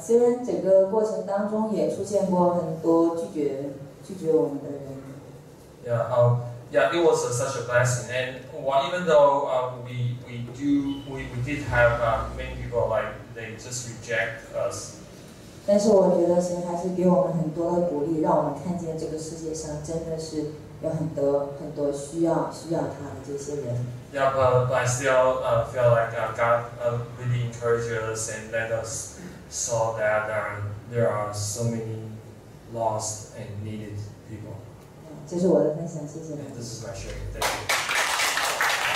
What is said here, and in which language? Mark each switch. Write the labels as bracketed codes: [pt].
[zh] 虽然整个过程当中也出现过很多拒绝我们的人。 [en] Yeah. It was such a blessing. And even though we did have many people like they just reject us. [zh] 但是我觉得神还是给我们很多的鼓励，让我们看见这个世界上真的是有很多很多需要他的这些人。 [en] Yeah, but I still feel like God really encouraged us and let us saw that there are so many lost and needed people. [zh] 这是我的分享，谢谢。 [en] And this is my sharing. Thank you.